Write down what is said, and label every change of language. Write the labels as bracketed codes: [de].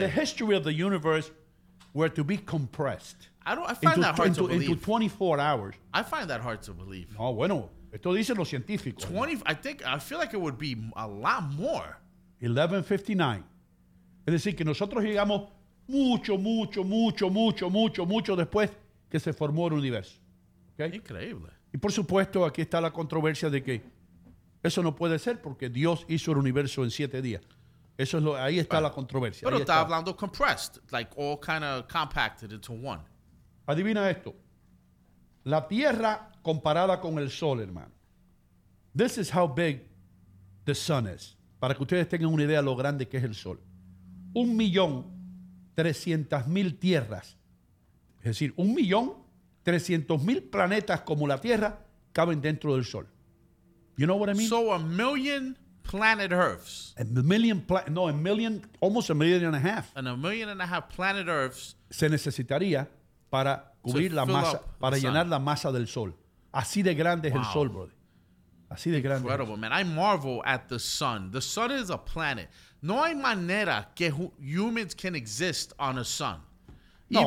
[en] The history of the universe were to be compressed. I don't. I find into, that hard into, to believe. Into 24 hours. I find that hard to believe. [es] Oh, bueno. Esto dicen los científicos. [en] 20, I think, I feel like it would be a lot more. 1159. [es] Es decir, que nosotros llegamos mucho, mucho, mucho, mucho, mucho, mucho después que se formó el universo. [en] Okay? [es] Increíble. Y por supuesto, aquí está la controversia de que eso no puede ser porque Dios hizo el universo en siete días. Eso es lo, ahí está la controversia. Pero está hablando [en] compressed, like all kind of compacted into one. [es] Adivina esto. La Tierra comparada con el Sol, hermano. [en] This is how big the sun is. [es] Para que ustedes tengan una idea de lo grande que es el Sol. 1,300,000 tierras. Es decir, 1,300,000 planetas como la Tierra caben dentro del Sol. [en] You know what I mean? So a million planet Earths. A million, a million, almost a million and a half. And a million and a half planet Earths. [es] Se necesitaría para cubrir la masa, para llenar la masa del sol. Así de grande es el sol, brother. Así de grande. [en] Incredible, man. I marvel at the sun. The sun is a planet. [es] No hay manera que [en] humans can exist on a sun. No.